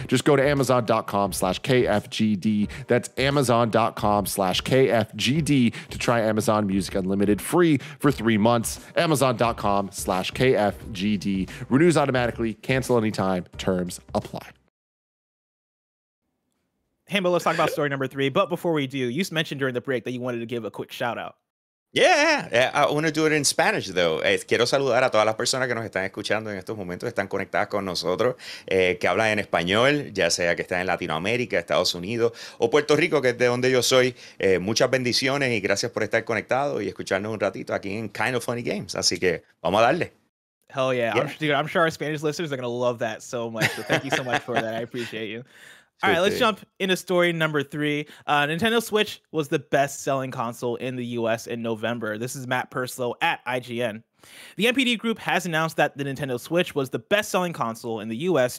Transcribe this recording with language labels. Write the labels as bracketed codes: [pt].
[en] Just go to amazon.com/KFGD. That's amazon.com/KFGD to try Amazon Music Unlimited free for 3 months. amazon.com/KFGD. Renews automatically. Cancel anytime. Terms apply. Hey, but let's talk about story number three. But before we do, you mentioned during the break that you wanted to give a quick shout out. Yeah, I want to do it in Spanish, though. [es] Quiero saludar a todas las personas que nos están escuchando en estos momentos, están conectadas con nosotros, que hablan en español, ya sea que estén en Latinoamérica, Estados Unidos o Puerto Rico, que es de donde yo soy. Muchas bendiciones y gracias por estar conectado y escucharnos un ratito aquí en Kind of Funny Games. Así que vamos a darle. [en] Hell yeah. I'm sure our Spanish listeners are going to love that so much. So thank you so much for that. I appreciate you. All right, let's jump into story number three. Nintendo Switch was the best-selling console in the U.S. in November. This is Matt Purslow at IGN. The NPD Group has announced that the Nintendo Switch was the best-selling console in the U.S.